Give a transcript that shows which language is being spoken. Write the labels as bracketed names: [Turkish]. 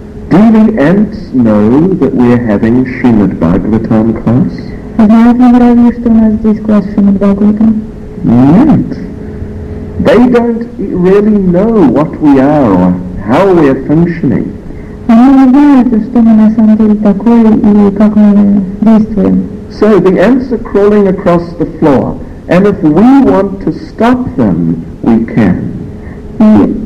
[English] Do the ants know that we are having Srimad Bhagavatam class? [Russian] Знают ли муравьи, что у нас здесь класс Шримад Бхагаватам? Нет. [English] They don't really know what we are or how we are functioning. [Russian] Они не знают, что мы на самом деле такое и как мы действуем. [English] So the ants are crawling across the floor, and if we want to stop them, we can.